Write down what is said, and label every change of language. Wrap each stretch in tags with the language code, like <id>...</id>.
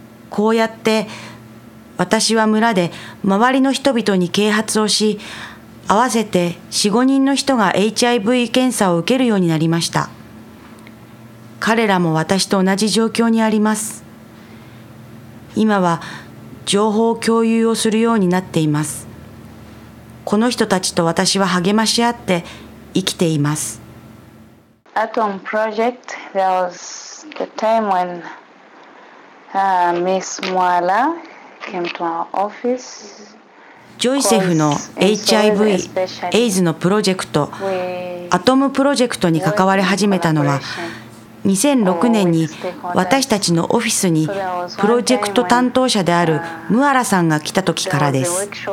<ja>こうやって私は村で周りの人々に啓発をし、合わせて 4,5 人の人が HIV 検査を受けるようになりました。彼らも私と同じ状況にあります。今は情報共有をするようになっています。この人たちと私は励まし合って生きています。</ja> <en>Atom Project, there was the time when Miss Mwala came to our office.</en> <ja>ジョイセフの HIV、エイズのプロジェクト、アトムプロジェクトに関わり始めたのは、2006年に私たちのオフィスにプロジェクト担当者であるムアラさんが来た時からです。</ja>